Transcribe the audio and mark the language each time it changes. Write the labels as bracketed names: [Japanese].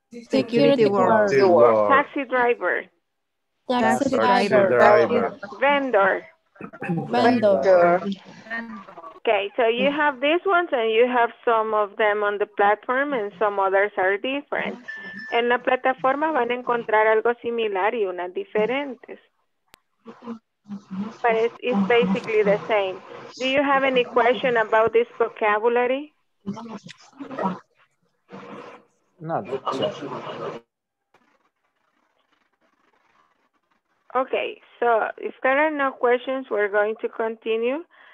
[English] Security guard. Taxi driver. Taxi driver. Vendor. Vendor. Okay, so you have these ones and you have some of them on the platform and some others are different. [Spanish] En la plataforma van a encontrar algo similar y unas diferentes. [English] But it's basically the same. Do you have any question about this vocabulary? No. Okay, so if there are no questions, we're going to continue.